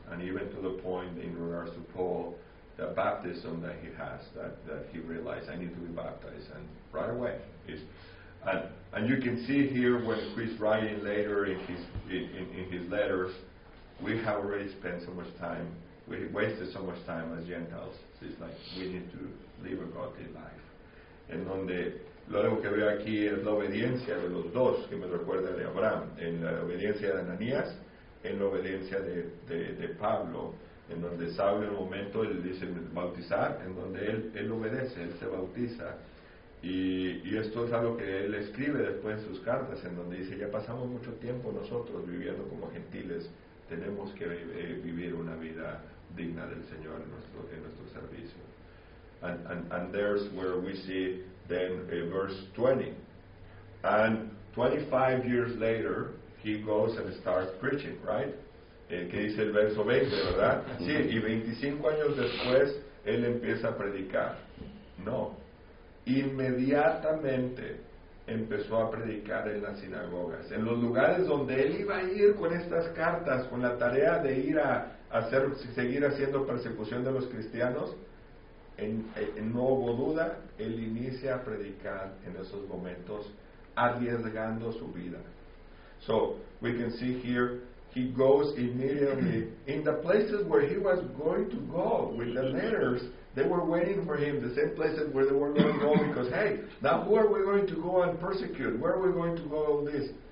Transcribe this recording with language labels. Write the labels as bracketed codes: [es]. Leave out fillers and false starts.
[en] And even to the point in regards to Paul, the baptism that he has, that he realized, I need to be baptized, and right away. And you can see here when he's writing later in his letters, we have already spent so much time. We wasted so much time as Gentiles. It's like we need to live a godly life. [es] En donde lo único que veo aquí es la obediencia de los dos, que me recuerda de Abraham, en la obediencia de Ananías, en la obediencia de Pablo, en donde Saulo en un momento él dice bautizar, en donde él obedece, él se bautiza. Y esto es algo que él escribe después en sus cartas, en donde dice, ya pasamos mucho tiempo nosotros viviendo como gentiles. Tenemos que vivir una vida digna del Señor en nuestro servicio. [en] And there's where we see then verse 20. And 25 years later, he goes and starts preaching, right? [es] Que dice el verso 20, ¿verdad? Sí, y 25 años después, él empieza a predicar. No. Inmediatamente empezó a predicar en las sinagogas. En los lugares donde él iba a ir con estas cartas, con la tarea de ir a hacer, seguir haciendo persecución de los cristianos, no hubo duda, él inicia a predicar en esos momentos, arriesgando su vida. [en] So, we can see here, he goes immediately in the places where he was going to go with the letters. They were waiting for him, the same places where they were going to go, because, hey, now who are we going to go and persecute? Where are we going to go on this?